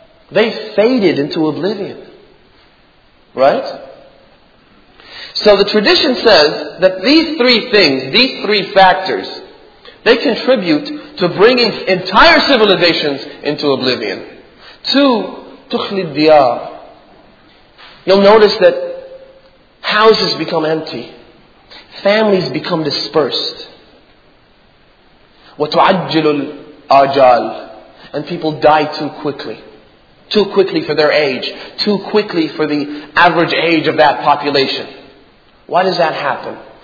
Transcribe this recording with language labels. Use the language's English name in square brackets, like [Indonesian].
[English] They faded into oblivion. Right? So the tradition says that these three things, these three factors, they contribute to bringing entire civilizations into oblivion. [Arabic] Two, تُخْلِ الدِّيَارِ. [English] You'll notice that houses become empty. Families become dispersed. [Arabic] وَتُعَجِّلُ الْآجَالِ. [English] And people die too quickly. Too quickly for their age. Too quickly for the average age of that population. Why does that happen?